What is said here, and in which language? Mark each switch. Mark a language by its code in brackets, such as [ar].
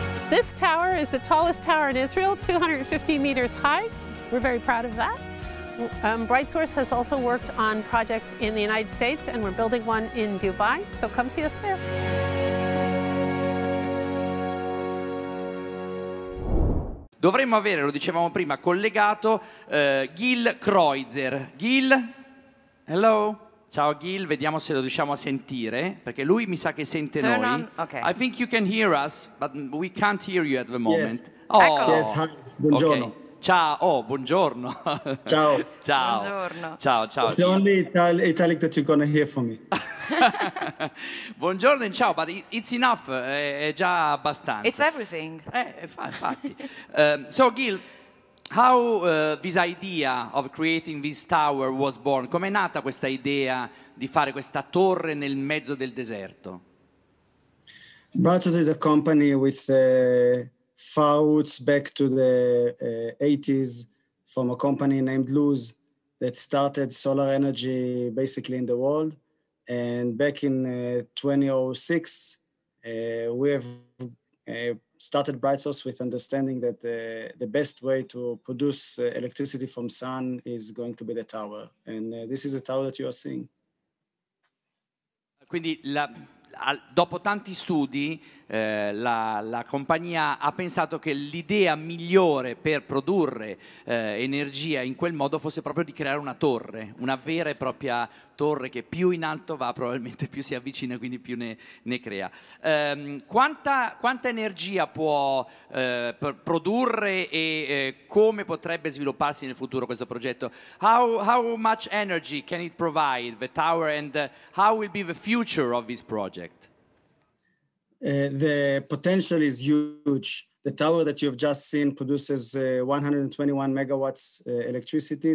[en] This tower is the tallest tower in Israel, 250 meters high. We're very proud of that. BrightSource has also worked on projects in the United States, and we're building one in Dubai, so come see us there. [it] Dovremmo avere, lo dicevamo prima, collegato Gil Kroyzer. Gil? Hello? Ciao Gil, vediamo se lo riusciamo a sentire, perché lui mi sa che sente [en] Turn [it] noi. [en] On, okay. I think you can hear us, but we can't hear you at the moment. Yes, oh. Yes, hi. Buongiorno. [it] Okay. Ciao, oh, buongiorno. Ciao. Ciao. Buongiorno. Ciao, ciao. [en] It's the only Italic that you're going to hear from me. [it] Buongiorno and ciao, [en] but it's enough, [it] è già abbastanza. [en] It's everything. [it] Infatti. [en] So, Gil, how this idea of creating this tower was born? [it] Com'è nata questa idea di fare questa torre nel mezzo del deserto? [en] Brachos is a company with roots back to the 80s from a company named Luz that started solar energy basically in the world. And back in 2006, we have started Brightsource with understanding that the best way to produce electricity from sun is going to be the tower. And this is the tower that you are seeing. [it] Quindi dopo tanti studi, la compagnia ha pensato che l'idea migliore per produrre energia in quel modo fosse proprio di creare una torre, una vera e propria torre che più in alto va, probabilmente più si avvicina, quindi più ne crea. Quanta energia può produrre e come potrebbe svilupparsi nel futuro questo progetto? [en] How much energy can it provide, the tower, and how will be the future of this project? The potential is huge. The tower that you've just seen produces 121 megawatts electricity.